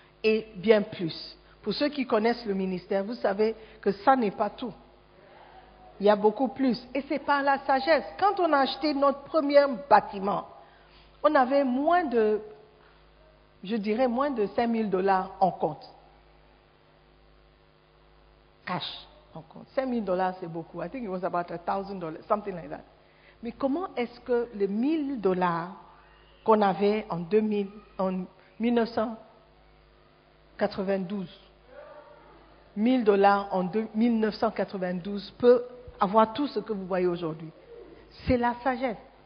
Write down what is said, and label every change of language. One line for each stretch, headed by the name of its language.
French: Et bien plus. Pour ceux qui connaissent le ministère, vous savez que ça n'est pas tout. Il y a beaucoup plus. Et c'est par la sagesse. Quand on a acheté notre premier bâtiment, on avait moins de, je dirais, moins de 5 000 $ en compte. Cash en compte. 5 000 $, c'est beaucoup.
English: I think it was about $1,000, something like that.
French: Mais comment est-ce que les 1 000 $ qu'on avait en 1992, 1 000 $ en 1992 peut avoir tout ce que vous voyez aujourd'hui? C'est la sagesse.